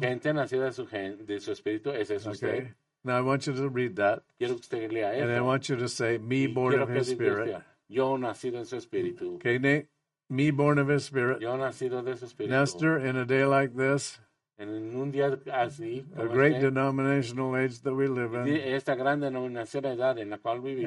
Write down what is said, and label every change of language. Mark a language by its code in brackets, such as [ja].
[es] Gente nacida de su espíritu, ese es usted. [en] Okay. Now I want you to read that. [es] Quiero que usted lea eso. [en] And I want you to say, me born of his spirit. [es] Yo nacido en su espíritu. [en] Okay, Nate? Me born of his spirit. [es] Yo nacido de su espíritu. [en] Nestor, in a day like this. [es] En un día así, [en] a great denominational age that we live in. [es] Esta gran denominación de edad en la cual vivimos.